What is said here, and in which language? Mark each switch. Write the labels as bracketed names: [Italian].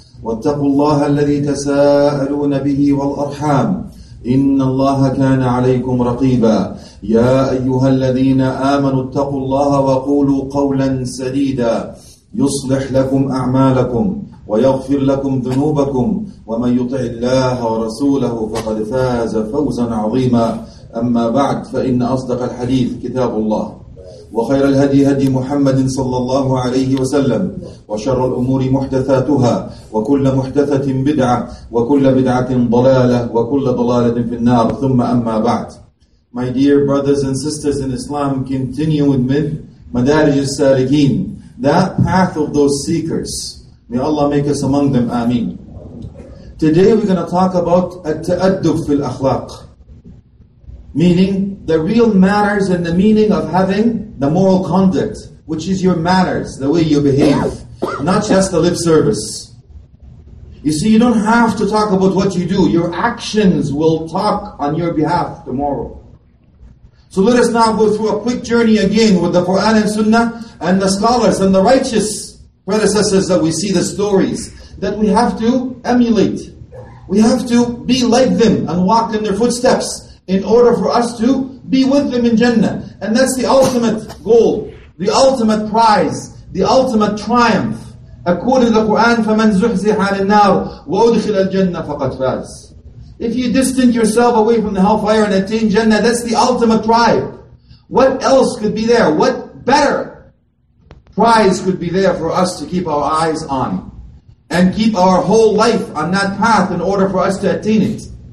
[Arabic] واتقوا الله الذي تساءلون به والأرحام إن الله كان عليكم رقيبا يا أيها الذين آمنوا اتقوا الله وقولوا قولا سديدا يصلح لكم أعمالكم ويغفر لكم ذنوبكم ومن يطع الله ورسوله فقد فاز فوزا عظيما أما بعد فإن أصدق الحديث كتاب الله وخير الهدي هدي محمد صلى الله عليه وسلم وشر الأمور محدثاتها وكل محدثة بدعة وكل بدعة ضلالة وكل ضلالة في النار ثم أما بعد. [English] My dear brothers and sisters in Islam, continue with me, Madarij al-Salikin, that path of those seekers. May Allah make us among them. Ameen. Today we're going to talk about at-ta'adduf fil akhlaq, meaning the real matters and the meaning of having the moral conduct, which is your manners, the way you behave, not just the lip service. You see, you don't have to talk about what you do. Your actions will talk on your behalf tomorrow. So let us now go through a quick journey again with the Quran and Sunnah and the scholars and the righteous predecessors that we see the stories that we have to emulate. We have to be like them and walk in their footsteps in order for us to be with them in Jannah. And that's the ultimate goal, the ultimate prize, the ultimate triumph. According to the Quran, [Arabic] فَمَنْ زُحْزِحَ عَنِ النَّارِ وَأُدْخِلَ الْجَنَّةِ فَقَدْ فَازْ. [English] If you distant yourself away from the hellfire and attain Jannah, that's the ultimate prize. What else could be there? What better prize could be there for us to keep our eyes on and keep our whole life on that path in order for us to attain it?